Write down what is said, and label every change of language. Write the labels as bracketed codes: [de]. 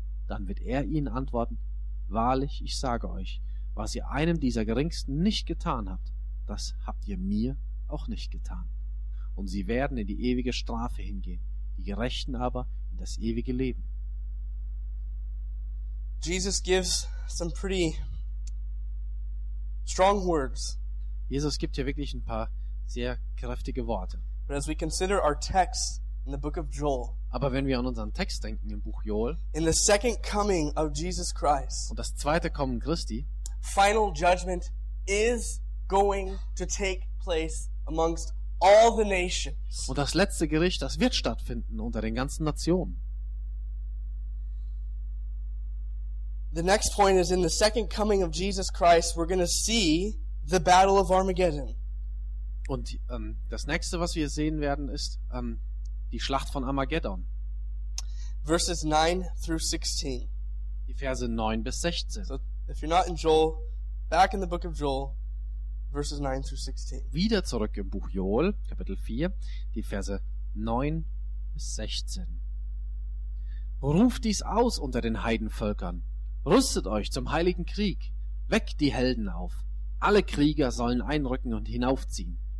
[de] Dann wird er ihnen antworten, wahrlich, ich sage euch, was ihr einem dieser Geringsten nicht getan habt, das habt ihr mir auch nicht getan. Und sie werden in die ewige Strafe hingehen, die Gerechten aber in das ewige Leben. [en] Jesus gives some pretty strong words. [de] Jesus gibt hier wirklich ein paar sehr kräftige Worte. [en] But as we consider our text in the book of Joel, [de] aber wenn wir an unseren Text denken im Buch Joel, [en] in the second coming of Jesus Christ, [de] und das zweite Kommen Christi, [en] final judgment is going to take place amongst all the nations. [de] Und das letzte Gericht, das wird stattfinden unter den ganzen Nationen. [en] The next point is in the second coming of Jesus Christ, we're going to see the battle of Armageddon. [de] Und das nächste, was wir sehen werden, ist die Schlacht von Armageddon. [en] Verses 9 through 16. [de] Die Verse 9 bis 16. [en] So if you're not in Joel, back in the book of Joel, verses 9 through 16. [de] Wieder zurück im Buch Joel, Kapitel 4, die Verse 9 bis 16. Ruf dies aus unter den Heidenvölkern. Rüstet euch zum heiligen Krieg. Weckt die Helden auf. Alle Krieger sollen einrücken und hinaufziehen.